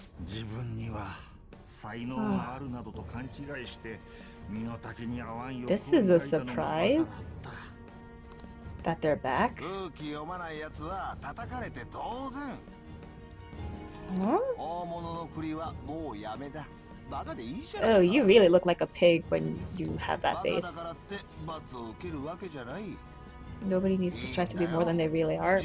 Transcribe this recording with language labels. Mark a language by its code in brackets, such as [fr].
[ja] 自分には才能があるなどと勘違いして身の丈に合わんよ。 [en] This is a surprise that they're back。 [ja] 空気読まない奴は叩かれて当然。大物の振りはもうやめだ。バカでいいじゃん。 [en] Oh, you really look like a pig when you have that face。 [ja] バカだからって罰を受けるわけじゃない。 [en] Nobody needs to strive to be more than they really are.